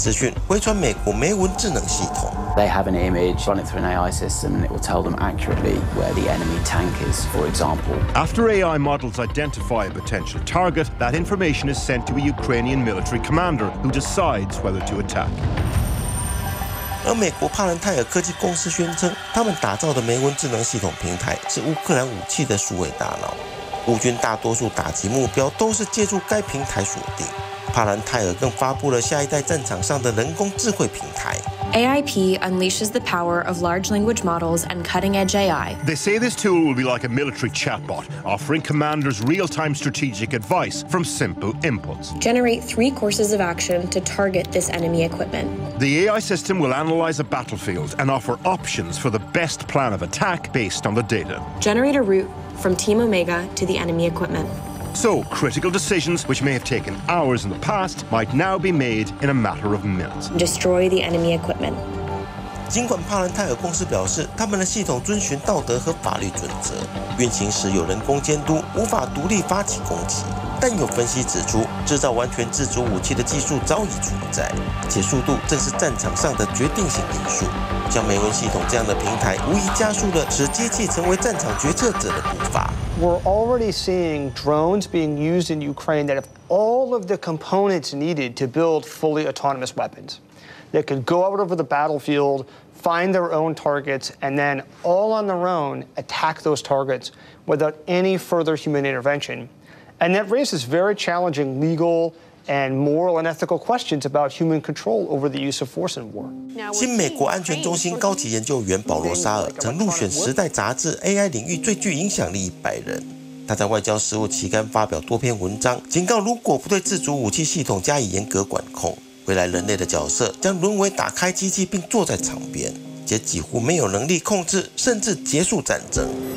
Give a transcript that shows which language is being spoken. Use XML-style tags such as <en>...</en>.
<zh>无人机便可对坦克进行打击，而当前俄乌前线上空随时都飞着至少10,000架无人机，他们会将空拍资讯回传美国梅文智能系统。</zh> <en>They have an image running through an AI system, and it will tell them accurately where the enemy tank is, for example. After AI models identify a potential target, that information is sent to a Ukrainian military commander who decides whether to attack.</en> <zh>而美国帕伦泰尔科技公司宣称，他们打造的梅文智能系统平台是乌克兰武器的数位大脑。乌军大多数打击目标都是借助该平台锁定。帕兰泰尔更发布了下一代战场上的人工智慧平台。</zh> <en>AIP unleashes the power of large language models and cutting-edge AI. They say this tool will be like a military chatbot, offering commanders real-time strategic advice from simple inputs. Generate 3 courses of action to target this enemy equipment. The AI system will analyze a battlefield and offer options for the best plan of attack based on the data. Generate a route from Team Omega to the enemy equipment. So, critical decisions, which may have taken hours in the past, might now be made in a matter of minutes. Destroy the enemy equipment.</en> <zh>尽管帕兰泰尔公司表示，他们的系统遵循道德和法律准则，运行时有人工监督，无法独立发起攻击。但有分析指出，制造完全自主武器的技术早已存在，且速度正是战场上的决定性因素。像梅文系统这样的平台，无疑加速了使机器成为战场决策者的步伐。</zh> <en>We're already seeing drones being used in Ukraine that have all of the components needed to build fully autonomous weapons. They could go out over the battlefield, find their own targets, and then all on their own attack those targets without any further human intervention. And that raises very challenging legal and moral and ethical questions about human control over the use of force in war.</en> <zh>新美国安全中心高级研究员保罗·沙尔曾入选《时代》杂志 AI 领域最具影响力100人。他在《外交事务》期刊发表多篇文章，警告如果不对自主武器系统加以严格管控，未来人类的角色将沦为打开机器并坐在场边，且几乎没有能力控制甚至结束战争。</zh>